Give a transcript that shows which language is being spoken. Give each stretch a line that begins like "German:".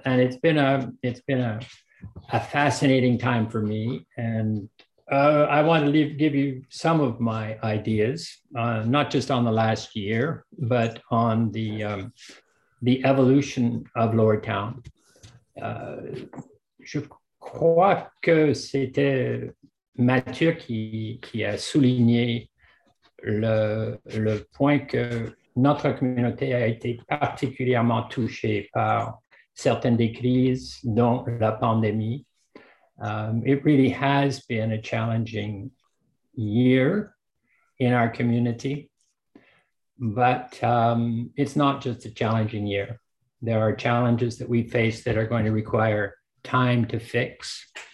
English: And it's been a fascinating time for me. And I want to give you some of my ideas, not just on the last year, but on the evolution of Lowertown.
French: Je crois que c'était Mathieu qui a souligné le point que notre communauté a été particulièrement touchée par certaines des crises, dont la pandémie.
English: It really has been a challenging year in our community, but it's not just a challenging year. There are challenges that we face that are going to require time to fix.